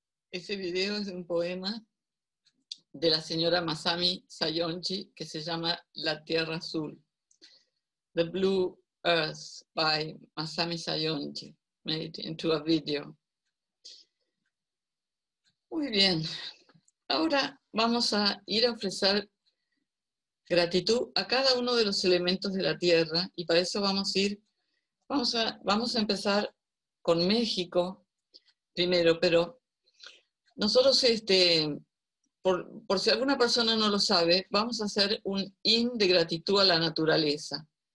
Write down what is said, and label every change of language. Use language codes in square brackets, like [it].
[es] Ese video es de un poema de la señora Masami Sayonchi que se llama La Tierra Azul. [en] The Blue Earth by Masami Sayonchi, made into a video. [es] Muy bien. Ahora vamos a ir a ofrecer gratitud a cada uno de los elementos de la Tierra y para eso vamos a empezar con México primero, pero nosotros, por si alguna persona no lo sabe, vamos a hacer un himno de gratitud a la naturaleza.